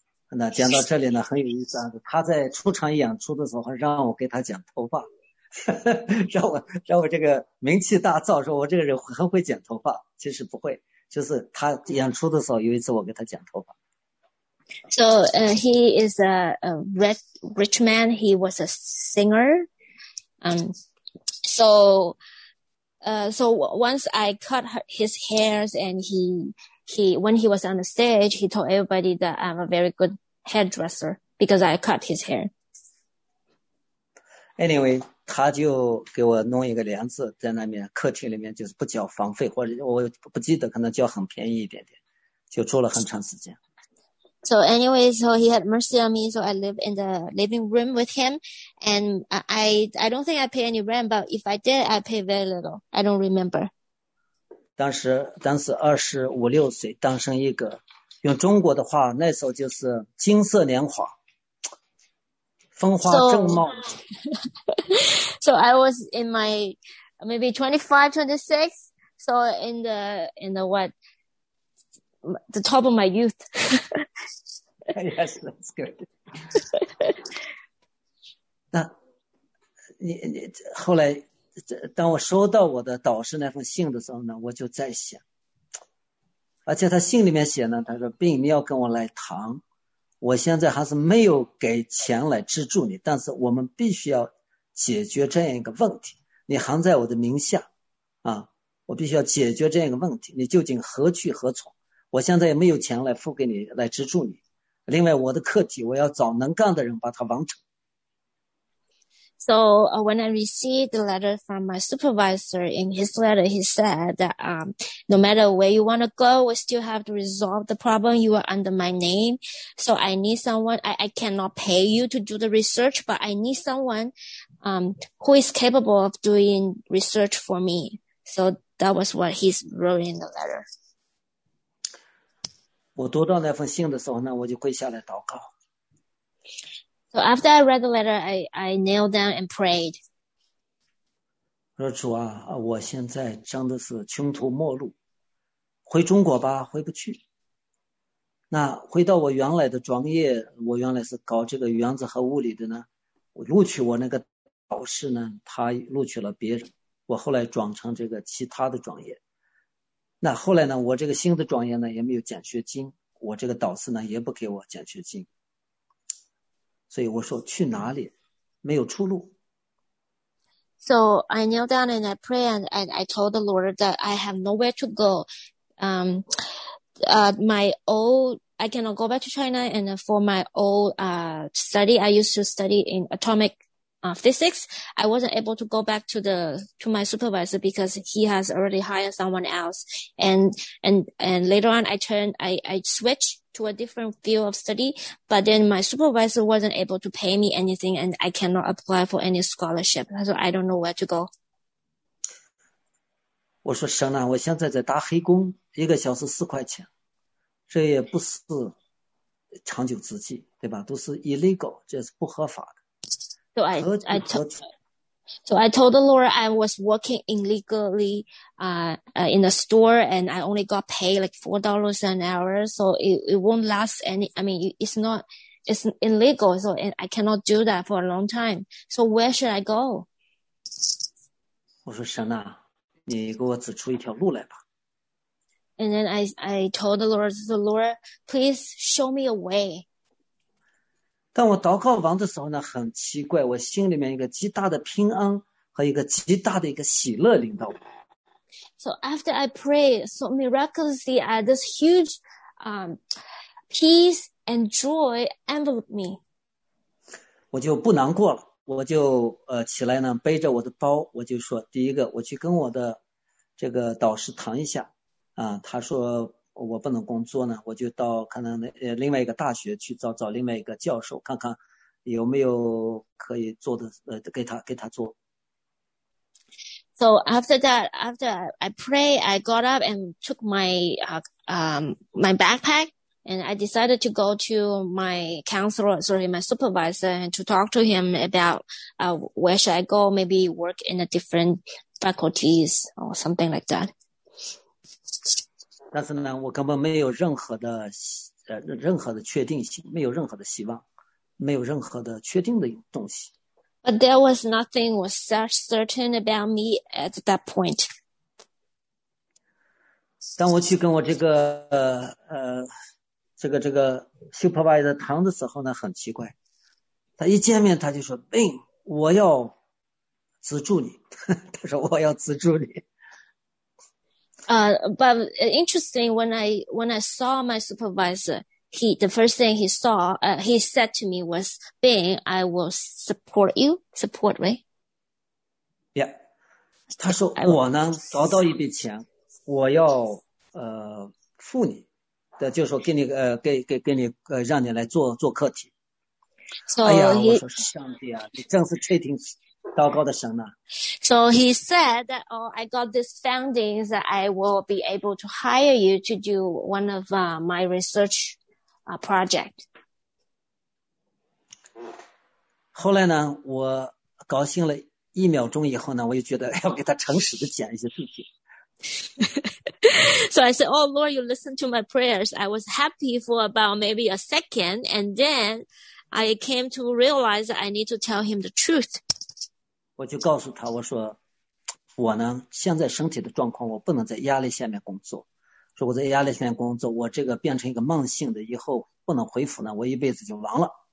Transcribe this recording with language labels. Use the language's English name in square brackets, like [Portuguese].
[Chinese] 那讲到这里呢，很有意思啊，他在出场演出的时候，让我给他剪头发，让我这个名气大噪，说我这个人很会剪头发，其实不会，就是他演出的时候，有一次我给他剪头发。 [English] So, he is a rich man. He was a singer, So once I cut his hairs and he, when he was on the stage, he told everybody that I'm a very good hairdresser because I cut his hair. Anyway, [Chinese] 他就给我弄一个帘子在那边客厅里面，就是不交房费，或者我不记得，可能交很便宜一点点，就住了很长时间。 [English] So anyway, so he had mercy on me. So I live in the living room with him. And I don't think I pay any rent, but if I did, I pay very little. I don't remember. [Chinese] 当时25、26岁，单身一个，用中国的话，那时候就是金色年华，风华正茂。 [English] So, I was in my maybe 25, 26. So in the what? The top of my youth. Yes, that's good. [Chinese] 那你后来，当我收到我的导师那封信的时候呢，我就在想，而且他信里面写呢，他说病你要跟我来谈，我现在还是没有给钱来资助你，但是我们必须要解决这样一个问题，你含在我的名下啊，我必须要解决这样一个问题，你究竟何去何从，我现在也没有钱来付给你来资助你，另外我的课题我要找能干的人把它完成。 [English] So, when I received the letter from my supervisor, in his letter, he said that, no matter where you want to go, we still have to resolve the problem. You are under my name. So I need someone, I cannot pay you to do the research, but I need someone, who is capable of doing research for me. So that was what he's wrote in the letter. [Chinese] 我读到那封信的时候呢，我就跪下来祷告。 [English] So after I read the letter, I kneeled down and prayed. [Chinese] 说主啊，我现在真的是穷途末路，回中国吧，回不去。那回到我原来的专业，我原来是搞这个原子核物理的呢。我录取我那个导师呢，他录取了别人，我后来转成这个其他的专业。那后来呢，我这个新的专业呢也没有奖学金，我这个导师呢也不给我奖学金。所以我说去哪里没有出路。 [English] So I kneel down and I pray and I told the Lord that I have nowhere to go. I cannot go back to China and for my old, study, I used to study in atomic, physics. I wasn't able to go back to my supervisor because he has already hired someone else. And later on I switched to a different field of study, but then my supervisor wasn't able to pay me anything and I cannot apply for any scholarship. So I don't know where to go. [Chinese] 我说神啊，我现在在打黑工，一个小时4块钱，这也不是长久之计，对吧？都是 [English] illegal, [Chinese] 这是不合法的。 [English] So I told the Lord I was working illegally, in a store and I only got paid like $4 an hour. So it won't last any, I mean, it's illegal. So I cannot do that for a long time. So where should I go? [Chinese] 我说神啊，你给我指出一条路来吧。 [English] And then I told the Lord, please show me a way. [Chinese] 当我祷告完的时候呢，很奇怪，我心里面一个极大的平安和一个极大的一个喜乐领导我。 [English] So after I pray, so miraculously, this huge, peace and joy enveloped me. [Chinese] 我就不难过了，我就起来呢，背着我的包，我就说，第一个，我去跟我的这个导师谈一下，他说。我不能工作呢，我就到可能另外一个大学去找另外一个教授，看看有没有可以做的，给他做。 [English] So after that, after I pray, I got up and took my my backpack, and I decided to go to my counselor, sorry, my supervisor, and to talk to him about where should I go, maybe work in a different faculties or something like that. [Chinese] 但是呢，我根本没有任何的任何的确定性，没有任何的希望，没有任何的确定的东西。 [English] But there was nothing was certain about me at that point. [Chinese] 当我去跟我这个 [English] supervisor [Chinese] 谈的时候呢，很奇怪，他一见面他就说：“病，我要资助你。 ”他说：“我要资助你。” [English] But interesting, when I saw my supervisor, he said to me was, Bing, I will support you, support me. Yeah. [Chinese] 他说 我呢找到一笔钱，我要付你的，就是说给你给你让你来做课题。 [English] So, [Chinese] 哎呀，我说上帝啊，你正是确定。祷告的神啊。 [English] So he said that, oh, I got this funding that I will be able to hire you to do one of my research project. [Chinese] 后来呢，我高兴了一秒钟以后呢，我又觉得要给他诚实的讲一些事情。 [English] So I said, oh, Lord, you listen to my prayers. I was happy for about maybe a second, and then I came to realize that I need to tell him the truth. [Chinese] 我就告诉他，我说，我呢，现在身体的状况，我不能在压力下面工作，说我在压力下工作，我这个变成一个慢性的，以后不能恢复呢，我一辈子就完了。